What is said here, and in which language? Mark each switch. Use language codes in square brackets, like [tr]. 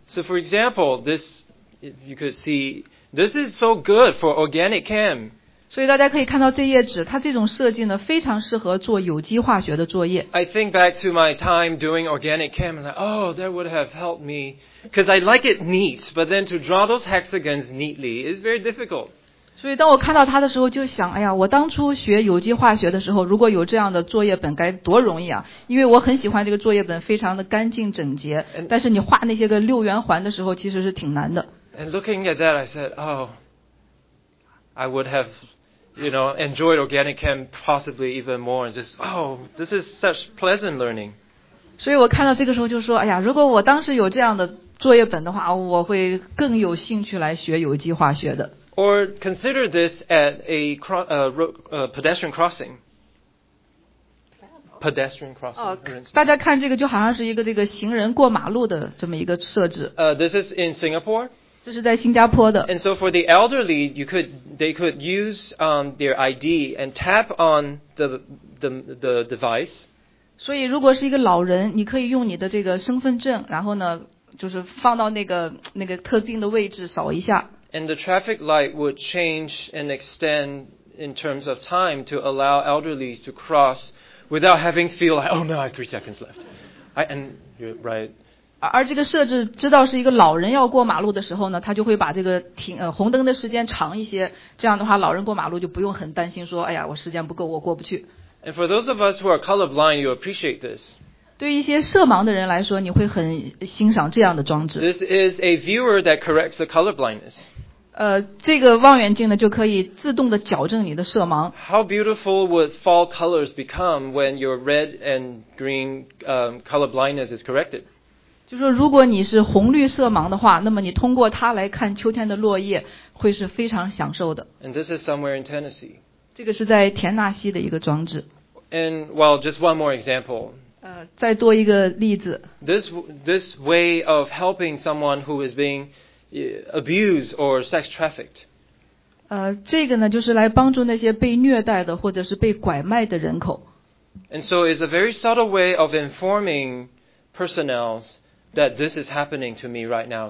[en] ？So for example, this you could see, this is so good for organic chem. [zh] 所以大家可以看到这页纸，它这种设计呢，非常适合做有机化学的作业。 [en] I think back to my time doing organic chem, and oh, that would have helped me, because I like it neat. But then to draw those hexagons neatly is very difficult. [zh] 所以当我看到它的时候，就想，哎呀，我当初学有机化学的时候，如果有这样的作业本，该多容易啊！因为我很喜欢这个作业本，非常的干净整洁。但是你画那些个六圆环的时候，其实是挺难的。 [en] And looking at that, I said, oh, I would have. You know, enjoyed organic chem possibly even more, and just oh, this is such pleasant learning. [zh] 所以我看到这个时候就说，哎呀，如果我当时有这样的作业本的话，我会更有兴趣来学有机化学的。 [en] Or consider this at a pedestrian crossing. [zh] Oh, 大家看这个就好像是一个这个行人过马路的这么一个设置。 [en] This is in Singapore. [zh] 这是在新加坡的。 [en] And so for the elderly, they could use their ID and tap on the device. [zh] 所以如果是一个老人，你可以用你的这个身份证，然后呢，就是放到那个特定的位置扫一下。 [en] And the traffic light would change and extend in terms of time to allow elderly to cross without having feel like, oh no, I have 3 seconds left. And you're right. [zh] 而这个设置知道是一个老人要过马路的时候呢，他就会把这个停红灯的时间长一些，这样的话老人过马路就不用很担心说，哎呀，我时间不够，我过不去。 [en] And for those of us who are colorblind, you appreciate this. [zh] 对一些色盲的人来说，你会很欣赏这样的装置。 [en] This is a viewer that corrects the colorblindness. [zh] 这个望远镜呢就可以自动的矫正你的色盲。 [en] How beautiful would fall colors become when your red and green colorblindness is corrected? [zh] 就是说如果你是红绿色盲的话，那么你通过它来看秋天的落叶会是非常享受的。 [en] And this is somewhere in Tennessee. [zh] 这个是在田纳西的一个装置。 [en] And well, just one more example. [zh] 再多一个例子。 [en] This way of helping someone who is being abused or sex trafficked. [zh] 这个呢就是来帮助那些被虐待的或者是被拐卖的人口。 [en] And so it's a very subtle way of informing personnel's. That this is happening to me right now.